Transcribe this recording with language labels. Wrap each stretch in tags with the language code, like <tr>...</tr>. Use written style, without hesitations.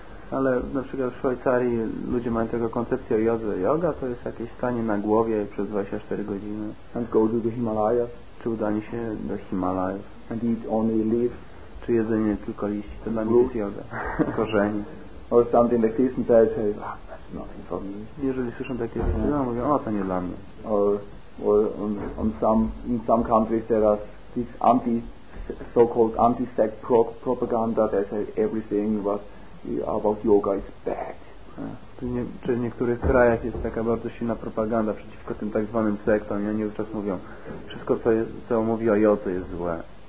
<pl>Ale na przykład w Szwajcarii ludzie mają tego koncepcję o jodze. Yoga to jest jakieś stanie na głowie przez 24 godziny.</pl> <en>And go to the Himalayas.</en> <pl>Czy udanie się do Himalajów.</pl> <en>And eat only leaves.</en> <pl>Czy jedzenie tylko liści. To dla mnie jest yoga. Korzeni.</pl> <en>Or something like this, and they say, that's nothing for me.</en> <pl>Jeżeli słyszą takie rzeczy, to mówią, to nie dla mnie.</pl> <en>Or in some countries there are this so-called anti-sect propaganda that says everything was about yoga is bad.</en> <pl>Czy w niektórych krajach jest taka bardzo silna propaganda przeciwko tym tak zwanym sektom i oni wówczas mówią, wszystko co mówi o jodze jest złe.</pl>